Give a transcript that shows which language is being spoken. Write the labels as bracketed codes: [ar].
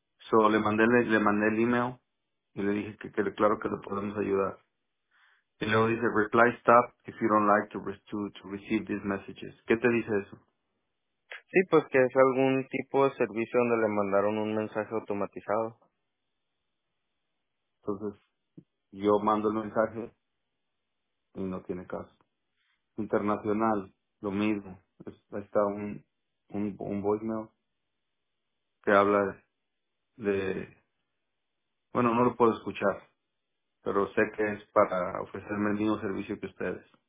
[es] So, le mandé el email y le dije que claro que le podemos ayudar. Y luego dice, [en] reply stop if you don't like to receive these messages. [es] ¿Qué te dice eso? Sí, pues que es algún tipo de servicio donde le mandaron un mensaje automatizado. Entonces, yo mando el mensaje y no tiene caso. Internacional, lo mismo. Ahí está un voicemail que habla de, bueno, no lo puedo escuchar, pero sé que es para ofrecerme el mismo servicio que ustedes.